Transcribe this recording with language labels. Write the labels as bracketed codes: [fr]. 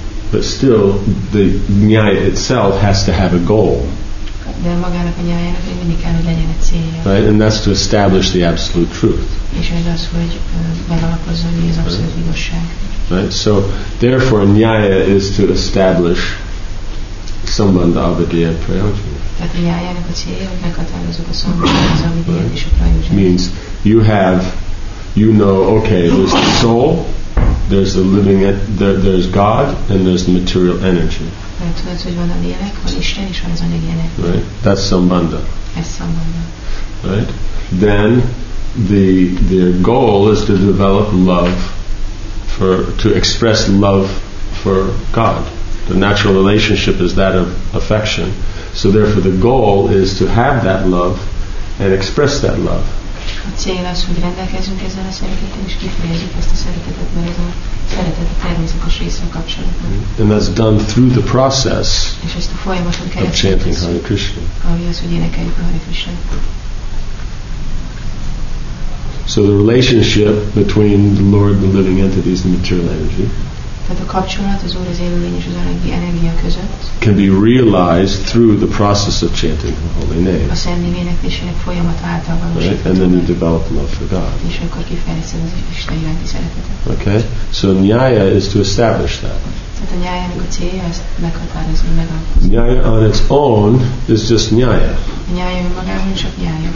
[en] But still, the nyaya itself has to have a goal. [hu] De magának a nyájának mindig kell, hogy legyen egy célja. [en] Right, and that's to establish the absolute truth. [hu] És ez az, hogy megalapozza, hogy az abszolút igazság. [en] Right, so therefore nyája is to establish sambandha avideya prayojana. [hu] Tehát a nyájának a célja, hogy meghatározok a sambandha az avideya és a prayojana. [en] Means you have, you know, okay, there's the soul, there's the living, there's God, and there's the material energy. Right, that's sambandha. Right, then the goal is to develop love for, to express love for God. The natural relationship is that of affection. So therefore the goal is to have that love and express that love. [hu] A cél az, hogy rendelkezünk ezzel a szeretettel, és kifejezzük ezt a szeretetet, mert ez a szeretet a természetes része a kapcsolatban. [en] And that's done through the process. [hu] És ezt a folyamaton keresztül. [en] Of chanting Hare Krishna. [hu] Ami az, hogy énekeljük a Hare Krishna-t. [en] So the relationship between the Lord, the living entities, and material energy. [hu] Tehát a kapcsolat az Úr, az élőlény és az anyagi energia között [en] can be realized through the process of chanting the holy name. [hu] A szentnév éneklésének folyamata által valósítható. [en] Right? And then you develop love for God. [hu] És akkor kifejlesztem az Isten iránti szeretetet. [en] Okay? So nyaya is to establish that. [hu] Tehát a nyájának a célja az meghatározni, megalkozni. [en] Nyaya on its own is just nyaya. [hu] A nyaya önmagában csak nyaya.